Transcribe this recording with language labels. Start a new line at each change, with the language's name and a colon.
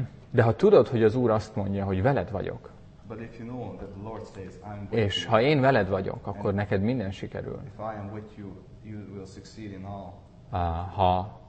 Hungarian: De ha tudod, hogy az Úr azt mondja, hogy veled vagyok,
English: but if you know that the Lord says, I'm with
Hungarian: és
English: you,
Hungarian: ha én veled vagyok, akkor neked minden sikerül.
English: If I am with you, you will succeed in all.